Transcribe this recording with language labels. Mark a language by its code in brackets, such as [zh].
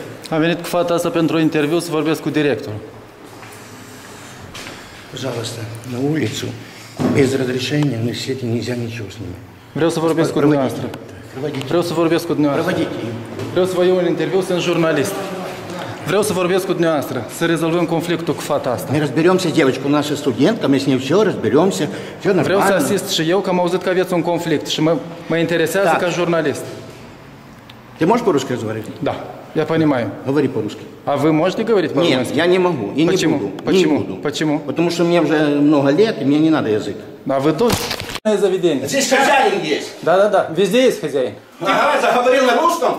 [ro] Am venit cu fata asta pentru un interviu să vorbesc cu directorul. [ru] Пожалуйста, на улицу, без разрешения, на сети нельзя ничего с ними. [ro] Vreau să vorbesc cu dumneavoastră. Vreau să vorbesc cu dumneavoastră. Vreau să vă iau un interviu, sunt jurnalist. Vreau să vorbesc cu dumneavoastră, să rezolvăm conflictul cu fata asta. [ru] Ne разберемся, девочка, наша студентка, мы с ней все разберемся, все нормально. [ro] Vreau să asist și eu, că am auzit că aveți un conflict și mă interesează ca jurnalist. [ru] Ты можешь по-русски разговаривать? Да. Я понимаю. Говори по-русски. А вы можете говорить по-русски? Нет, я не могу. И почему? Не буду. Почему? Не буду. Почему? Потому что мне уже много лет, и мне не надо язык. А вы тоже заведение. Здесь хозяин есть. Да. Везде есть хозяин. Ага, заговорил на русском.